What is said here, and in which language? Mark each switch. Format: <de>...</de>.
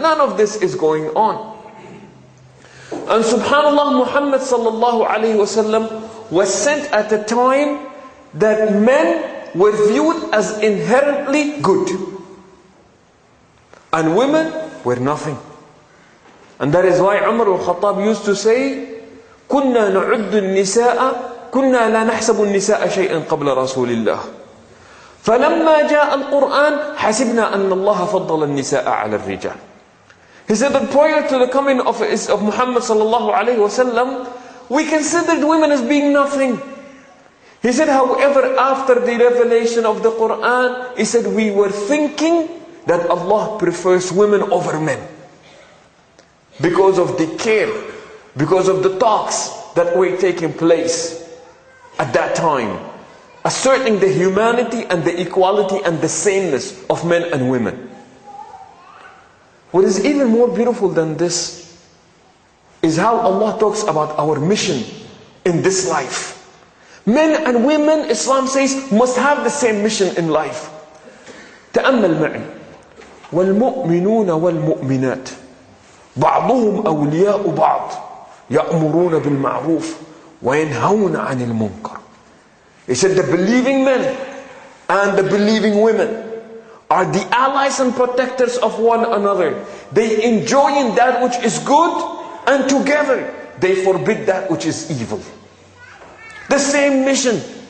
<en>None of this is going on. And subhanAllah, Muhammad sallallahu alayhi wa sallam was sent at a time that men were viewed as inherently good, and women were nothing. And that is why Umar al-Khattab used to say,</en> <ar>كُنَّا نُعُدُّ النِّسَاءَ كُنَّا لَا نَحْسَبُ النِّسَاءَ شَيْئًا قَبْلَ رَسُولِ اللَّهِ فَلَمَّا جَاءَ الْقُرْآنَ حَسِبْنَا أَنَّ اللَّهَ فَضَّلَ النِّسَاءَ عَلَى الرِّجَالِ.</ar> <en>He said that prior to the coming of Muhammad sallallahu alayhi wa sallam, we considered women as being nothing. He said, however, after the revelation of the Quran, he said, we were thinking that Allah prefers women over men. Because of the care, because of the talks that were taking place at that time, asserting the humanity and the equality and the sameness of men and women. What is even more beautiful than this is how Allah talks about our mission in this life. Men and women, Islam says, must have the same mission in life.</en> <ar>تأمل معي. والمؤمنون والمؤمنات بعضهم أولياء بعض يأمرون بالمعروف وينهون عن المنكر.</ar> <en>He said the believing men and the believing women are the allies and protectors of one another. They enjoy in that which is good, and together they forbid that which is evil. The same mission.</en>